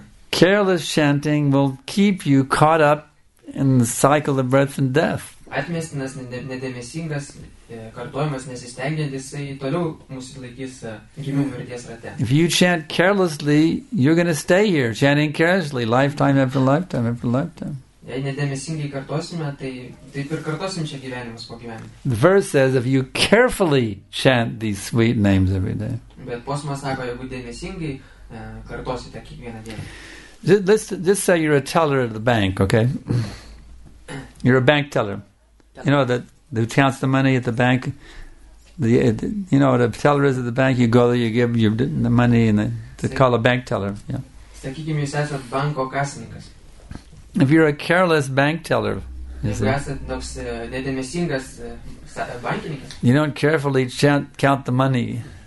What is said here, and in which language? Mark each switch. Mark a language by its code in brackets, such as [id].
[en] Careless chanting will keep you caught up in the cycle of birth and death. [lt] Atmestinas, nedėmesingas kartojimas, nesistengiant, jisai toliau mūsų laikys gimimų mirties rate. [en] If you chant carelessly, you're going to stay here, chanting carelessly, lifetime after lifetime after lifetime. [lt] Jei nedėmesingai kartosime, tai taip ir kartosim čia gyvenimas po gyvenimo. [en] The verse says, if you carefully chant these sweet names every day. [lt] Bet posmas sako, jeigu dėmesingai kartosite kiekvieną dieną. [en] Just say you're a teller at the bank, okay? You're a bank teller. You know that who counts the money at the bank. You know what a teller is at the bank. You go there, you give your the money, and they call a bank teller. Yeah. [lt] Sakykime, jūs esat banko kasininkas. [en] If you're a careless bank teller, you don't carefully count the money.